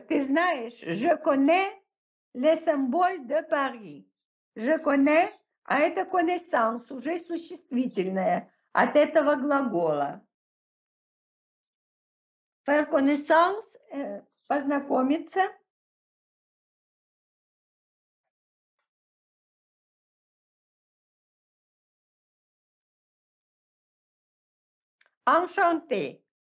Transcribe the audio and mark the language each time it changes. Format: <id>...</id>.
<ru>Ты знаешь,</ru> <fr>je connais les symboles de Paris. Je connais,</fr> <ru>а это connaissance, уже существительное от этого глагола.</ru> <fr>Faire connaissance,</fr> <ru>познакомиться.</ru> <fr>Enchanté.</fr>